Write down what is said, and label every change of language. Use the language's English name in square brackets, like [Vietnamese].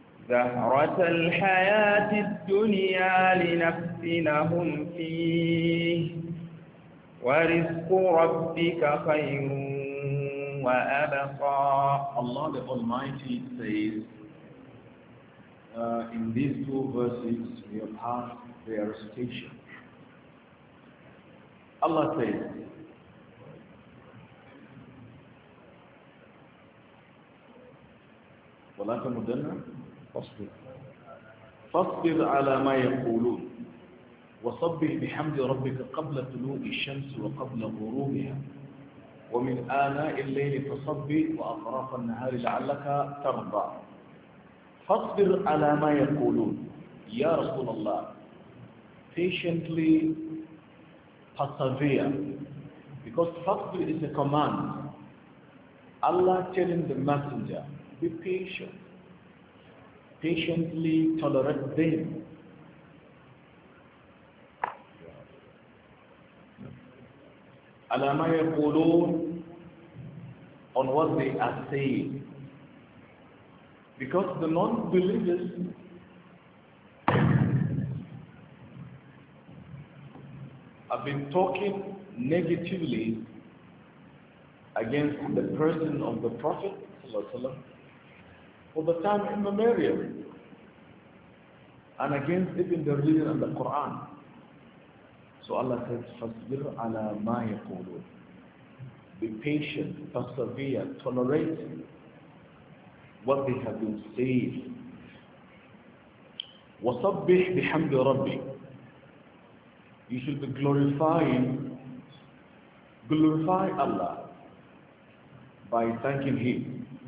[Arabic] زهرة الحياة الدنيا لنفتنهم فيه ورزق ربك خير وأبقى. [English] Allah the Almighty says, in these two verses we have passed their station. Allah says, [Arabic] ولا تمدن فاصبر فاصبر على ما يقولون وصبح بحمد ربك قبل طلوع الشمس وقبل غروبها ومن آناء الليل فصبح وأطراف النهار لعلك ترضى. فاصبر على ما يقولون يا رسول الله. [English] Patiently persevere, because faṣbir is a command. Allah telling the messenger, be patient, patiently tolerate them. Alama yaqulun, on what they are saying. Because the non-believers, I've been talking negatively against the person of the Prophet for the time immemorial, and against even the reading of the Quran. So Allah says, [Arabic] فَاصْبِرْ عَلَى مَا يَقُولُونَ. [English] Be patient, persevere, tolerate what they have been saying. [Arabic] وَصَبِّحْ بِحَمْدِ رَبِّكَ. [English] You should be glorifying, glorify Allah by thanking Him.